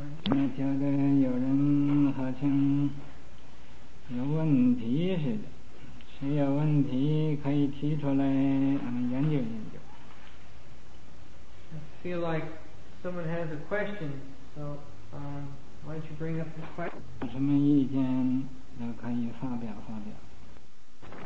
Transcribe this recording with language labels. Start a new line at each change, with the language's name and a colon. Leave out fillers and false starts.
Chinese: 那觉得有人好像有问题似的，谁有问题可以提出来，我们研究研究。
English: I feel like someone has a question, so why don't you bring up the question?
Chinese: 有什么意见都可以发表发表。